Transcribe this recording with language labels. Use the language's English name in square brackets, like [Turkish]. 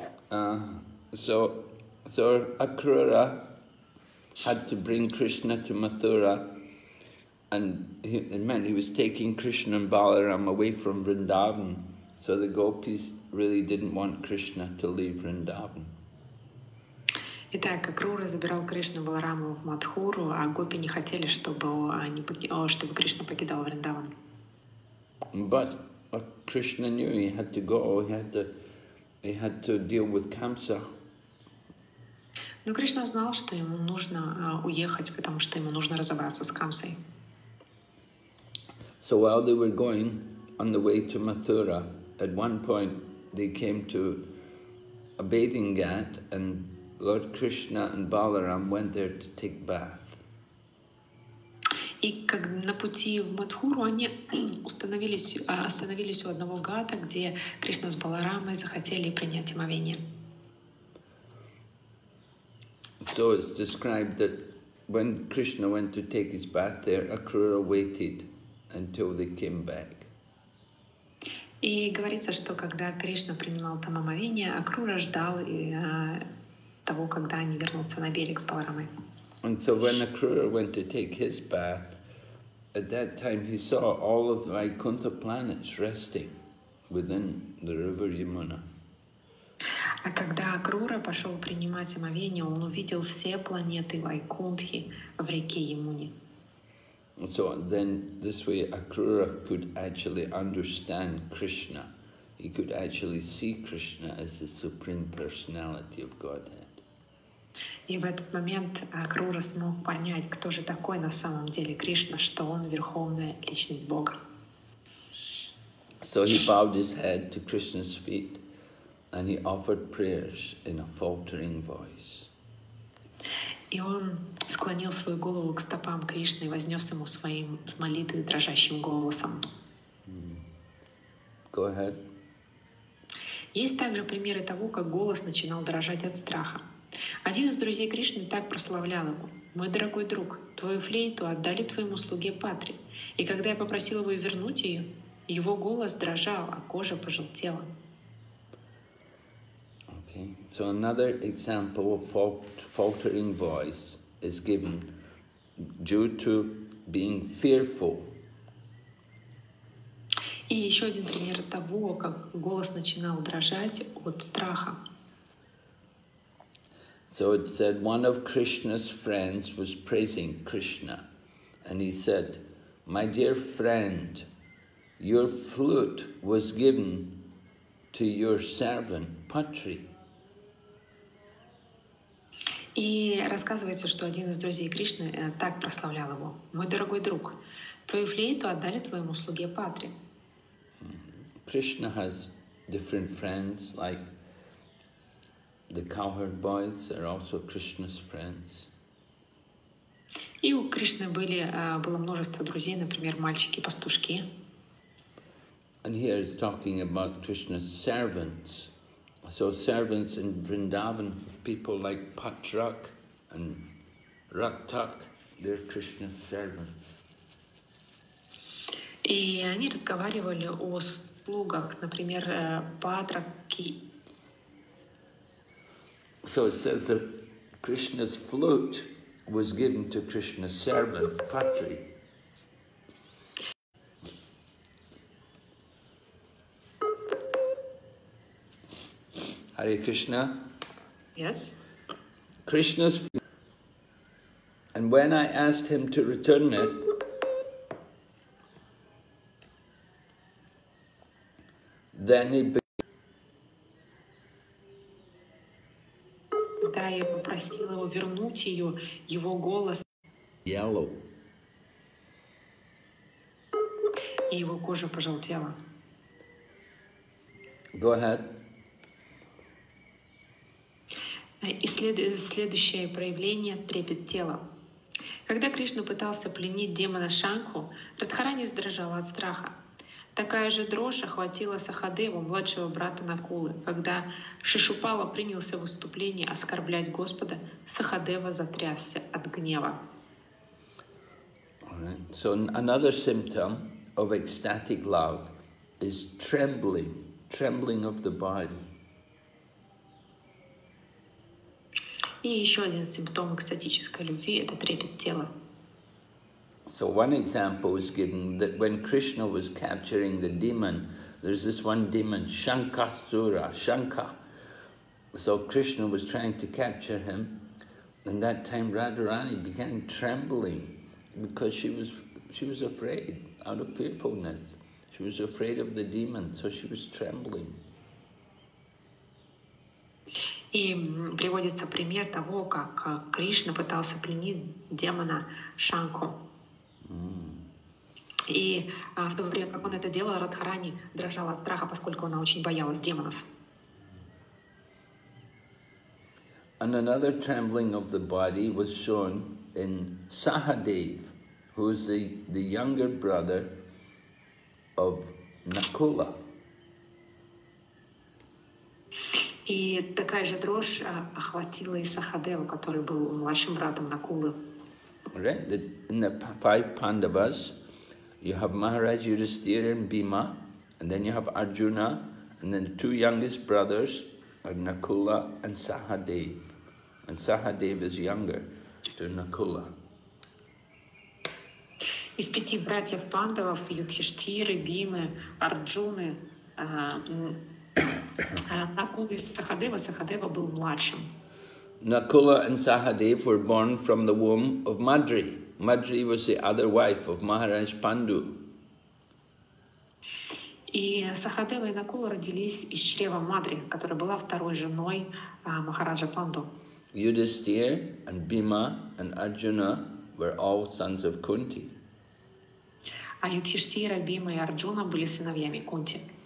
[English] So Akrura had to bring Krishna to Mathura, and it meant he was taking Krishna and Balaram away from Vrindavan. So the gopis really didn't want Krishna to leave Vrindavan. [Russian] Итак, Акрура забирал Кришну Балараму в Матхуру, а гопи не хотели, чтобы Кришна покидал Вриндаван. [English] But Krishna knew he had to go. He had to deal with Kamsa. [Russian] Но Кришна знал, что ему нужно уехать, потому что ему нужно разобраться с Камсой. [English] So while they were going on the way to Mathura, at one point they came to a bathing ghat, and Lord Krishna and Balaram went there to take bath. [Russian] И как на пути в Матхуру они остановились у одного гата, где Кришна с Баларамой захотели принять омовение. [English] So it's described that when Krishna went to take his bath there, Akrura waited until they came back. [Russian] И говорится, что когда Кришна принимал там омовение, Акрура ждал того, когда они вернутся на берег с Баларамой. [English] And so when Akrura went to take his bath, at that time he saw all of the Vaikuntha planets resting within the river Yamuna. [Russian] А когда Акрура пошел принимать омовение, он увидел все планеты Вайкунтхи в реке Ямуне. [English] So then this way Akrura could actually understand Krishna. He could actually see Krishna as the Supreme Personality of Godhead. [Russian] И в этот момент Акрура смог понять, кто же такой на самом деле Кришна, что он верховная личность Бога. [English] So he bowed his head to Krishna's feet and he offered prayers in a faltering voice. [Russian] И он склонил свою голову к стопам Кришны и вознес ему своим молитвы дрожащим голосом. [English] Go ahead. [Russian] Есть также примеры того, как голос начинал дрожать от страха. Один из друзей Кришны так прославлял его. «Мой дорогой друг, твою флейту отдали твоему слуге Патри, и когда я попросил его вернуть ее, его голос дрожал, а кожа пожелтела». [English] Okay. So another example of faltering voice is given due to being fearful. [Russian] И еще один пример того, как голос начинал дрожать от страха. [English] So it said one of Krishna's friends was praising Krishna, and he said, "My dear friend, your flute was given to your servant Patri." [Russian] И рассказывается, что один из друзей Кришны так прославлял его: "Мой дорогой друг, твою флейту отдали твоему слуге Патри." [English] Krishna has different friends, like the cowherd boys are also Krishna's friends. [Russian] И у Кришны были было множество друзей, например, мальчики-пастушки. [English] And here is talking about Krishna's servants. So servants in Vrindavan, people like Patrak and Raktak, they're Krishna's servants. [Russian] И они разговаривали о слугах, например, Патраки. [English] So it says that Krishna's flute was given to Krishna's servant, Patri. Hare Krishna. Yes. Krishna's flute. And when I asked him to return it, then it began. [Russian] Просил его вернуть ее, его голос. [English] Yellow. [Russian] И его кожа пожелтела. [English] Go ahead. [Russian] И следующее проявление – трепет тела. Когда Кришна пытался пленить демона Шанху, Радхарани сдрожала от страха. Такая же дрожь охватила Сахадеву, младшего брата Накулы, когда Шишупала принялся в выступлении оскорблять Господа, Сахадева затрясся от гнева. [English] Alright. So another symptom of ecstatic love is trembling, trembling of the body. [Russian] И еще один симптом экстатической любви – это трепет тела. [English] So one example is given that when Krishna was capturing the demon, there's this one demon, Shankasura, Shankha. So Krishna was trying to capture him, and that time Radharani began trembling because she was afraid out of fearfulness. She was afraid of the demon, so she was trembling. [Russian] И приводится пример того, как Кришна пытался пленить демона Шанку. И в то время, как он это делал, Радхарани дрожала от страха, поскольку она очень боялась демонов. [English] And another trembling of the body was shown in Sahadev, who is the younger brother of Nakula. [Russian] И такая же дрожь охватила и Сахадеву, который был младшим братом Накулы. [English] Right? In the five Pandavas, you have Maharaj Yudhisthira and Bhima, and then you have Arjuna, and then the two youngest brothers are Nakula and Sahadev. And Sahadev is younger than Nakula. [Russian] Из пяти братьев Пандавов, Юдхиштхиры, Бхимы, Арджуны, Накула и Сахадева, Сахадева был младшим. [English] Nakula and Sahadev were born from the womb of Madri, Маджри was the other wife of Maharaj Pandu. [Russian] И Сахадева и Накула родились из чрева Мадри, которая была второй женой Махараджа Панду. [English] Юдхиштхира and Бхима and Арджуна were all sons of Кунти. [Russian] А Юдхиштхира, Бхима и Арджуна были сыновьями Кунти.